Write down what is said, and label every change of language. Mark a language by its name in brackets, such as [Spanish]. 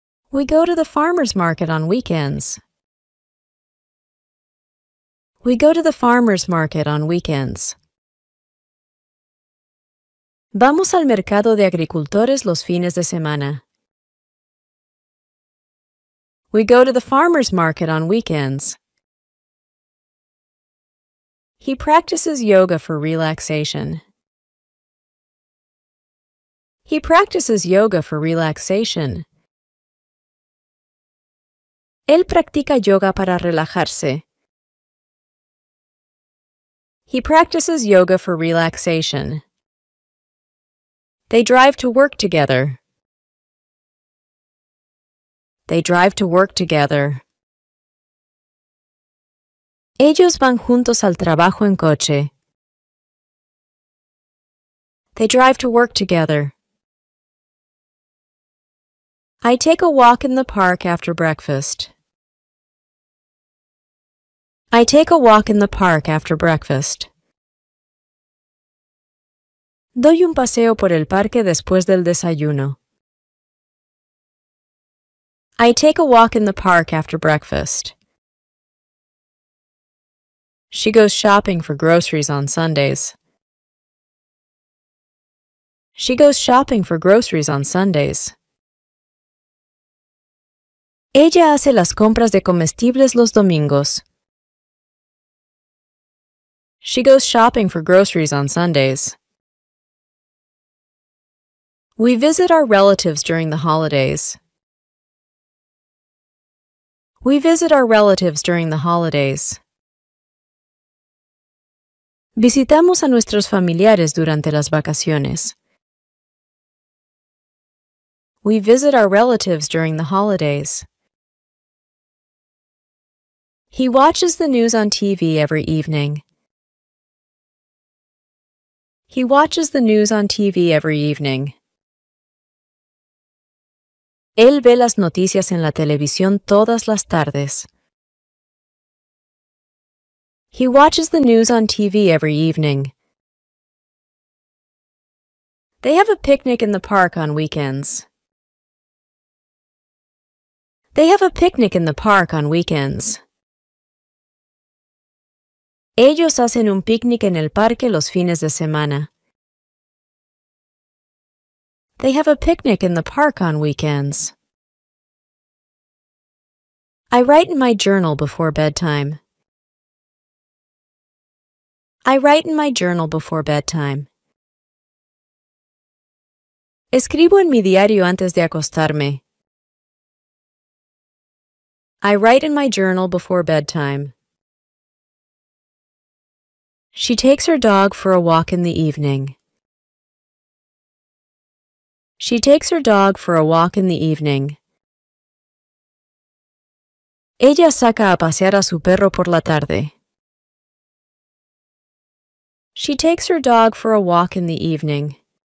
[English] We go to the farmer's market on weekends. We go to the farmer's market on weekends. [Spanish] Vamos al mercado de agricultores los fines de semana. [English] We go to the farmer's market on weekends. He practices yoga for relaxation. He practices yoga for relaxation. [Spanish] Él practica yoga para relajarse. [English] He practices yoga for relaxation. They drive to work together. They drive to work together. [Spanish] Ellos van juntos al trabajo en coche. [English] They drive to work together. I take a walk in the park after breakfast. I take a walk in the park after breakfast. [Spanish] Doy un paseo por el parque después del desayuno. [English] I take a walk in the park after breakfast. She goes shopping for groceries on Sundays. She goes shopping for groceries on Sundays. [Spanish] Ella hace las compras de comestibles los domingos. [English] She goes shopping for groceries on Sundays. We visit our relatives during the holidays. We visit our relatives during the holidays. [Spanish] Visitamos a nuestros familiares durante las vacaciones. [English] We visit our relatives during the holidays. He watches the news on TV every evening. He watches the news on TV every evening. [Spanish] Él ve las noticias en la televisión todas las tardes. [English] He watches the news on TV every evening. They have a picnic in the park on weekends. They have a picnic in the park on weekends. [Spanish] Ellos hacen un picnic en el parque los fines de semana. [English] They have a picnic in the park on weekends. I write in my journal before bedtime. I write in my journal before bedtime. [Spanish] Escribo en mi diario antes de acostarme. [English] I write in my journal before bedtime. She takes her dog for a walk in the evening. She takes her dog for a walk in the evening. [Spanish] Ella saca a pasear a su perro por la tarde. [English] She takes her dog for a walk in the evening.